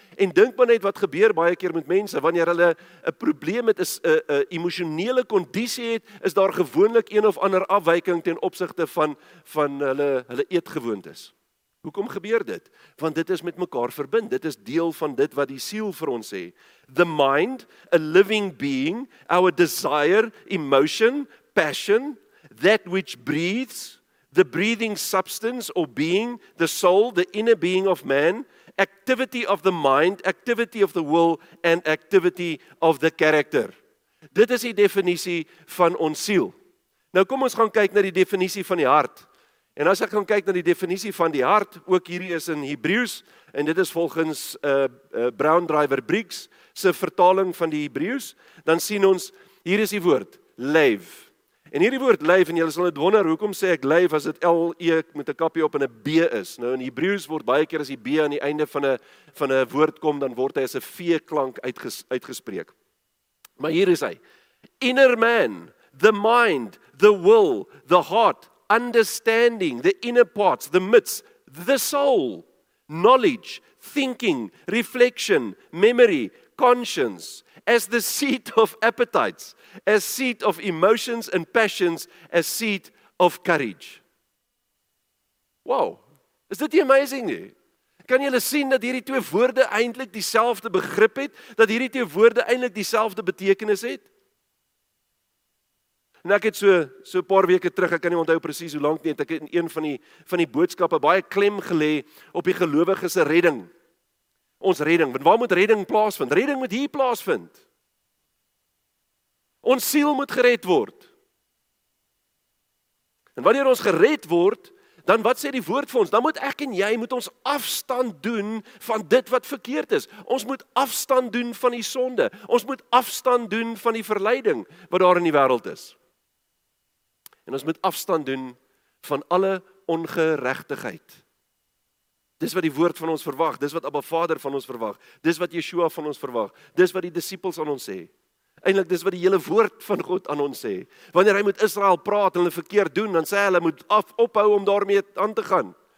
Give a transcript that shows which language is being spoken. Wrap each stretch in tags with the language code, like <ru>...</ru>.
<af>En dink maar net wat gebeur baie keer met mense, wanneer hulle 'n probleem met 'n emosionele kondisie het, is daar gewoonlik een of ander afwyking ten opsigte van hulle eetgewoontes. Hoekom gebeur dit? Want dit is met mekaar verbind. Dit is deel van dit wat die siel vir ons sê.</af> <en>The mind, a living being, our desire, emotion, passion, that which breathes, the breathing substance or being, the soul, the inner being of man, activity of the mind, activity of the will, and activity of the character.</en> <af>Dit is die definisie van ons siel. Nou kom ons gaan kyk na die definisie van die hart. En as ek gaan kyk na die definisie van die hart, ook hierdie is in Hebreeus, en dit is volgens Brown Driver Briggs, se vertaling van die Hebreeus, dan sien ons, hier is die woord, leef. En hierdie woord leef, en julle sal net wonder, hoekom sê ek leef as dit L-E met 'n kappie op en 'n B is? Nou in Hebreeus word baie keer as die B aan die einde van 'n woord kom, dan word hy as 'n V-klank uitgespreek. Maar hier is hy,</af> <en>inner man, the mind, the will, the heart, understanding, the inner parts, the midst, the soul, knowledge, thinking, reflection, memory, conscience, as the seat of appetites, as seat of emotions and passions, as seat of courage.</en> <af>Wow, is dit nie amazing nie? Kan julle sien dat hierdie twee woorde eintlik dieselfde begrip het, dat hierdie twee woorde eintlik dieselfde betekenis het? En ek het so paar weke terug, ek kan nie onthou precies hoe lang nie, het ek in een van die boodskappe baie klem gelê op die gelowige se redding. Ons redding, want waar moet redding plaasvind? Redding moet hier plaasvind. Ons siel moet gered word. En wanneer ons gered word, dan wat sê die woord vir ons? Dan moet ek en jy moet ons afstand doen van dit wat verkeerd is. Ons moet afstand doen van die sonde. Ons moet afstand doen van die verleiding wat daar in die wêreld is. En ons moet afstand doen van alle ongeregtigheid. Dis wat die woord van ons verwag, dis wat Abba Vader van ons verwag, dis wat Yeshua van ons verwag, dis wat die disippels aan ons sê. Eindelijk dis wat die hele woord van God aan ons sê. Wanneer hy met Israel praat en hulle verkeerd doen, dan sê hulle moet ophou om daarmee aan te gaan.</af>